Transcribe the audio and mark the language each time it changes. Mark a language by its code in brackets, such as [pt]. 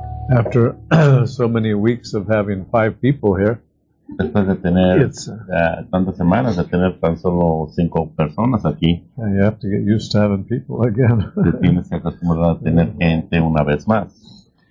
[en] After so many weeks of having five people here, [es] después de tener tantas semanas de tener tan solo cinco personas aquí, [en] you have to get used to having people again. [es] Te tienes que acostumbrar a tener gente una vez más.